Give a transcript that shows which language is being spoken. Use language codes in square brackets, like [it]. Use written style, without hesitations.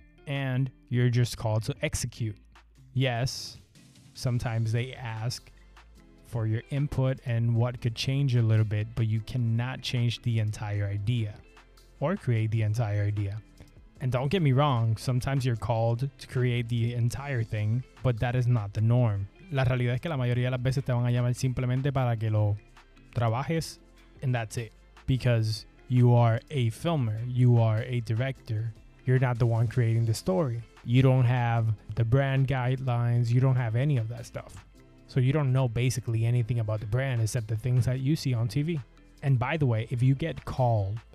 [en] And you're just called to execute. Yes, sometimes they ask for your input and what could change a little bit, but you cannot change the entire idea or create the entire idea. And don't get me wrong, sometimes you're called to create the entire thing, but that is not the norm. [es] La realidad es que la mayoría de las veces te van a llamar simplemente para que lo trabajes, [en] and that's it. Because you are a filmer, you are a director, you're not the one creating the story. You don't have the brand guidelines. You don't have any of that stuff. So you don't know basically anything about the brand except the things that you see on TV. And by the way, if you get called